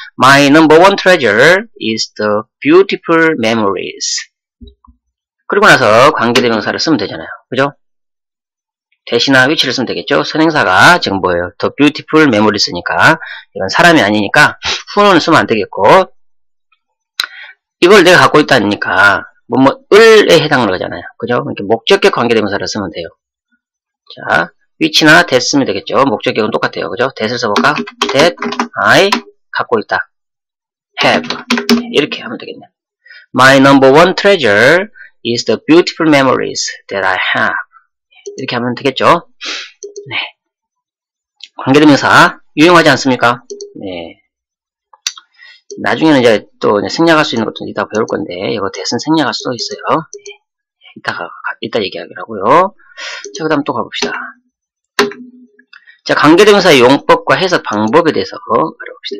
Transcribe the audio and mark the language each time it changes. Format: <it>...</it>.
<en>my number one treasure is the beautiful memories.</en> <ko>그리고 나서 관계대명사를 쓰면 되잖아요. 그죠? 대시나 위치를 쓰면 되겠죠? 선행사가 지금 뭐예요?</ko> <en>the beautiful memories</en> <ko>니까. 이건 사람이 아니니까 후는 쓰면 안 되겠고. 이걸 내가 갖고 있다니까. 을에 해당하는 거잖아요. 그죠? 이렇게 목적격 관계대명사를 쓰면 돼요. 자, 위치나 that 쓰면 되겠죠. 목적격은 똑같아요. 그죠? that을 써볼까? that I 갖고 있다. have. 이렇게 하면 되겠네.</ko> <en>my number one treasure is the beautiful memories that I have.</en> <ko>이렇게 하면 되겠죠. 네. 관계대명사 유용하지 않습니까? 네. 나중에는 이제 또 생략할 수 있는 것도 이따 배울 건데, 이거 that은 생략할 수도 있어요. 이따 얘기하기라고요. 자, 그 다음 또 가봅시다. 자, 관계대명사의 용법과 해석 방법에 대해서 알아봅시다.</ko>